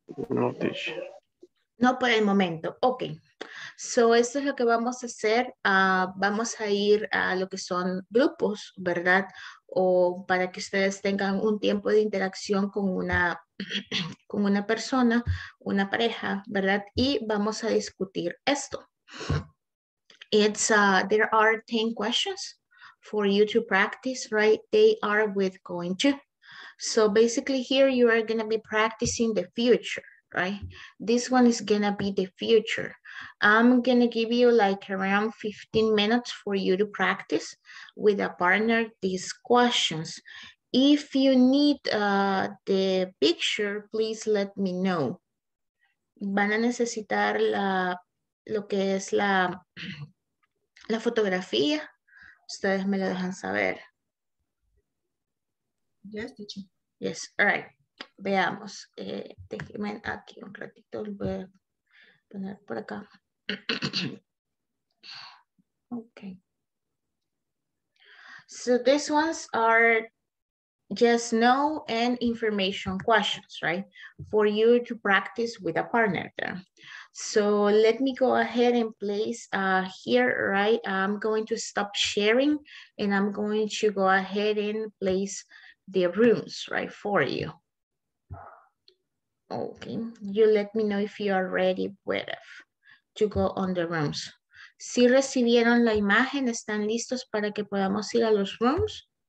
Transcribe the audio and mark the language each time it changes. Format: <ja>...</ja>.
<es>No por el momento. Ok. So, esto es lo que vamos a hacer. Vamos a ir a lo que son grupos, ¿verdad? O para que ustedes tengan un tiempo de interacción con una persona, una pareja, ¿verdad? Y vamos a discutir esto.</es> <en>There are 10 questions for you to practice, right? They are with going to. So, basically here you are going to be practicing the future, right? This one is gonna be the future. I'm gonna give you like around 15 minutes for you to practice with a partner these questions. If you need the picture, please let me know.</en> <es>Van a necesitar la, lo que es la, la fotografía. Ustedes me lo dejan saber.</es> <en>Yes, teacher. Yes, all right.</en> <es>Veamos. Déjenme aquí un ratito. Voy a poner por acá.</es> <en>Okay. So these ones are yes, no, and information questions, right? For you to practice with a partner there. So let me go ahead and place here, right? I'm going to stop sharing and I'm going to go ahead and place the rooms, right, for you. Okay, you let me know if you are ready with it to go on the rooms.</en> <es>Si recibieron la imagen, ¿están listos para que podamos ir a los rooms?</es>